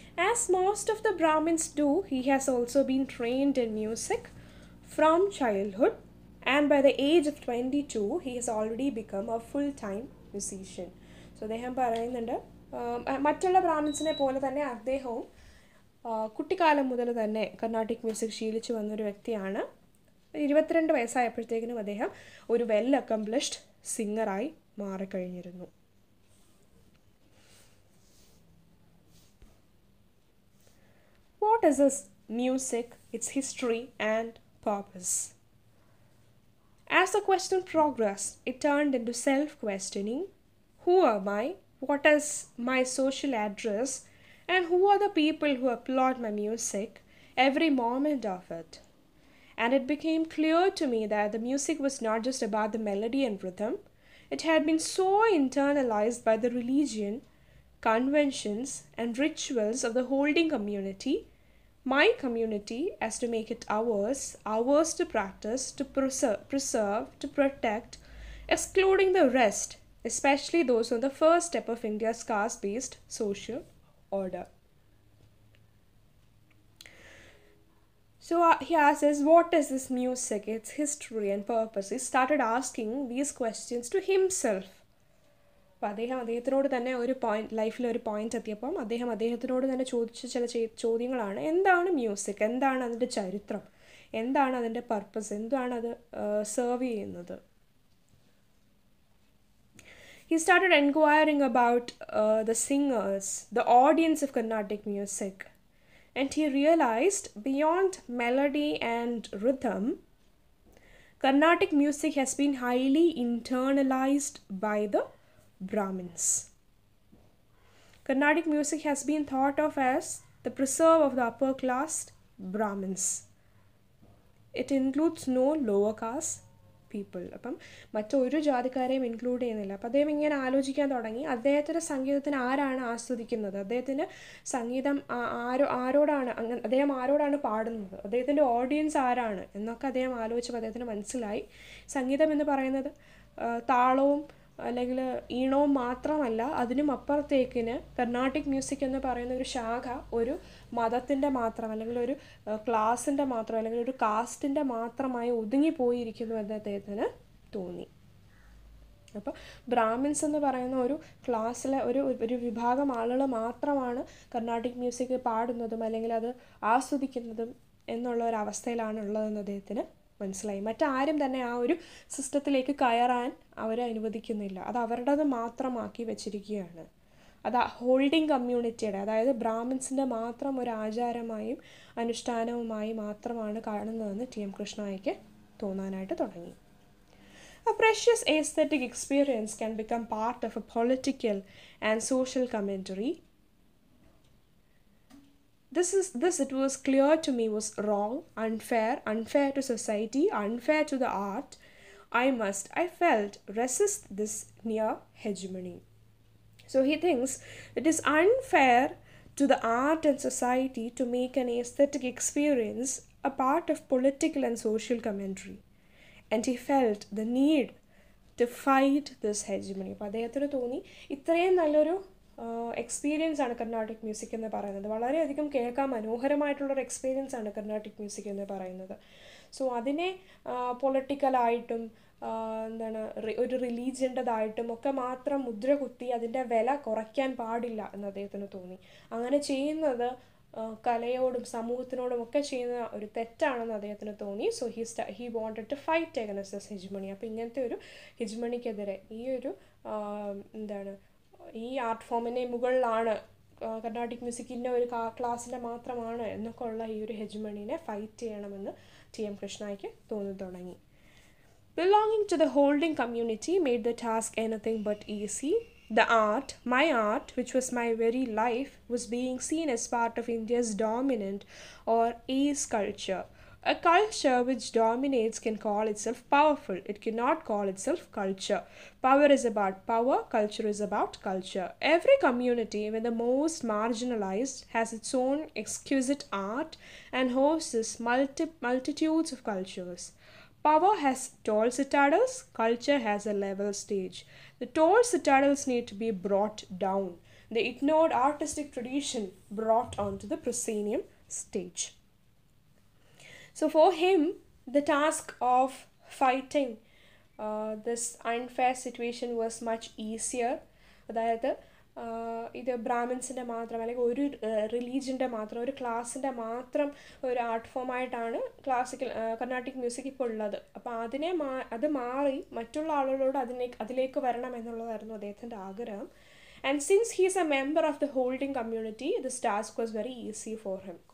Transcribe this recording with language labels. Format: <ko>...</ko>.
<en>As most of the Brahmins do, he has also been trained in music from childhood, and by the age of 22, he has already become a full-time musician. So, they have been saying that,</en> <ml>mattulla Brahminsine pole thanne adeham കുട്ടിക്കാലം മുതൽ തന്നെ Carnatic music ശീലിച്ചു വന്നൊരു വ്യക്തിയാണ്. 22 വയസ്സായപ്പോഴത്തേക്കിനും അദ്ദേഹം ഒരു well accomplished സിംഗറായി മാറിക്കഴിഞ്ഞിരുന്നു.</ml> <en>What is this music? Its history and purpose. As a question progress, it turned into self questioning. Who are my? What is my social address? And who are the people who applaud my music every moment of it? And it became clear to me that the music was not just about the melody and rhythm. It had been so internalized by the religion, conventions, and rituals of the holding community, my community, as to make it ours, ours to practice, to preserve, to protect, excluding the rest, especially those on the first step of India's caste-based social order. So he asks us, what is this music, its history and purpose? He started asking these questions to himself.</en> <ml>അപ്പോൾ അദ്ദേഹം അദ്ദേഹത്തിനോട് തന്നെ ഒരു point ലൈഫിൽ ഒരു point എത്തിയപ്പം അദ്ദേഹം അദ്ദേഹത്തിനോട് തന്നെ ചോദിച്ച ചില ചോദ്യങ്ങളാണ്. എന്താണ് മ്യൂസിക്? എന്താണ് അതിൻ്റെ ചരിത്രം? എന്താണ് അതിൻ്റെ പർപ്പസ്? എന്താണ് അത് സെർവ് ചെയ്യുന്നത്?</ml> <en>He started enquiring about the singers, the audience of Carnatic music, and he realized beyond melody and rhythm, Carnatic music has been highly internalized by the Brahmins. Carnatic music has been thought of as the preserve of the upper class Brahmins. It includes no lower caste people.</en> <ml>അപ്പം മറ്റൊരു ജാതിക്കാരെയും include ചെയ്യുന്നില്ല. അപ്പം അദ്ദേഹം ഇങ്ങനെ ആലോചിക്കാൻ തുടങ്ങി. അദ്ദേഹത്തിൻ്റെ സംഗീതത്തിന് ആരാണ് ആസ്വദിക്കുന്നത്? അദ്ദേഹത്തിൻ്റെ സംഗീതം ആരോടാണ് അദ്ദേഹം ആരോടാണ് പാടുന്നത്? അദ്ദേഹത്തിൻ്റെ ഓഡിയൻസ് ആരാണ് എന്നൊക്കെ അദ്ദേഹം ആലോചിച്ചപ്പോൾ അദ്ദേഹത്തിന് മനസ്സിലായി, സംഗീതം എന്ന് പറയുന്നത് താളവും അല്ലെങ്കിൽ ഈണവും മാത്രമല്ല, അതിനും അപ്പുറത്തേക്കിന് കർണാട്ടിക് മ്യൂസിക് എന്ന് പറയുന്ന ഒരു ശാഖ ഒരു മതത്തിൻ്റെ മാത്രം അല്ലെങ്കിൽ ഒരു ക്ലാസിൻ്റെ മാത്രം അല്ലെങ്കിൽ ഒരു കാസ്റ്റിൻ്റെ മാത്രമായി ഒതുങ്ങിപ്പോയിരിക്കുന്നു എന്ന് അദ്ദേഹത്തിന് തോന്നി. അപ്പോൾ ബ്രാഹ്മിൻസ് എന്ന് പറയുന്ന ഒരു ക്ലാസ്സിലെ ഒരു ഒരു വിഭാഗം ആളുകൾ മാത്രമാണ് കർണാട്ടിക് മ്യൂസിക് പാടുന്നതും അല്ലെങ്കിൽ അത് ആസ്വദിക്കുന്നതും എന്നുള്ള ഒരു അവസ്ഥയിലാണ് ഉള്ളതെന്ന് അദ്ദേഹത്തിന് മനസ്സിലായി. മറ്റാരും തന്നെ ആ ഒരു സിസ്റ്റത്തിലേക്ക് കയറാൻ അവരെ അനുവദിക്കുന്നില്ല. അത് അവരുടേത് മാത്രമാക്കി വെച്ചിരിക്കുകയാണ്. അത് ഹോൾഡിംഗ് കമ്മ്യൂണിറ്റിയുടെ, അതായത് ബ്രാഹ്മിൻസിൻ്റെ മാത്രം ഒരു ആചാരമായും അനുഷ്ഠാനവുമായി മാത്രമാണ് കാണുന്നതെന്ന് ടി എം കൃഷ്ണായ്ക്ക് തോന്നാനായിട്ട് തുടങ്ങി.</ml> <en>A precious aesthetic experience can become part of a political and social commentary. This it was clear to me was wrong, unfair, unfair to society, unfair to the art. I felt, resist this near hegemony. So he thinks it is unfair to the art and society to make an aesthetic experience a part of political and social commentary. And he felt the need to fight this hegemony.</en> <ml>Padayathiru thoni itrayum nalloru experience ആണ് Carnatic music എന്ന് പറയുന്നത്. വളരെയധികം കേൾക്കാൻ മനോഹരമായിട്ടുള്ളൊരു experience ആണ് Carnatic music എന്ന് പറയുന്നത്. So അതിനെ പൊളിറ്റിക്കലായിട്ടും എന്താണ് ഒരു റിലീജിയൻ്റെതായിട്ടും ഒക്കെ മാത്രം മുദ്ര കുത്തി അതിൻ്റെ വില കുറയ്ക്കാൻ പാടില്ല എന്ന് അദ്ദേഹത്തിന് തോന്നി. അങ്ങനെ ചെയ്യുന്നത് കലയോടും സമൂഹത്തിനോടും ഒക്കെ ചെയ്യുന്ന ഒരു തെറ്റാണെന്ന് അദ്ദേഹത്തിന് തോന്നി.</ml> <en>So he wanted to fight against this hegemony.</en> <ml>അപ്പോൾ ഇങ്ങനത്തെ ഒരു ഹെജ്മണിക്കെതിരെ ഈ ഒരു എന്താണ് ഈ ആർട്ട് ഫോമിൻ്റെ മുകളിലാണ് കർണാട്ടിക് മ്യൂസിക്കിൻ്റെ ഒരു ക്ലാസ്സിൻ്റെ മാത്രമാണ് എന്നൊക്കെ ഉള്ള ഈ ഒരു ഹെജ്മണിനെ ഫൈറ്റ് ചെയ്യണമെന്ന് ടി എം കൃഷ്ണായ്ക്ക് തോന്നി തുടങ്ങി.</ml> <en>Belonging to the holding community made the task anything but easy. The art, my art, which was my very life, was being seen as part of India's dominant or is culture. A culture which dominates can call itself powerful. It cannot call itself culture. Power is about power. Culture is about culture. Every community, even the most marginalized, has its own exquisite art and hosts multitudes of cultures. Power has tall citadels. Culture has a level stage. The tall citadels need to be brought down. The ignored artistic tradition brought onto the proscenium stage. So for him, the task of fighting this unfair situation was much easier. അതായത്</en> <ml>ഇത് ബ്രാഹ്മിൻസിൻ്റെ മാത്രം അല്ലെങ്കിൽ ഒരു റിലീജിയൻ്റെ മാത്രം ഒരു ക്ലാസിൻ്റെ മാത്രം ഒരു art ഫോമായിട്ടാണ് classical Carnatic music ഇപ്പോൾ ഉള്ളത്. അപ്പോൾ അതിനെ അത് മാറി മറ്റുള്ള ആളുകളോട് അതിലേക്ക് വരണം എന്നുള്ളതായിരുന്നു അദ്ദേഹത്തിൻ്റെ ആഗ്രഹം.</ml> <en>And since he is a member of the holding community, this task was very easy for him.</en>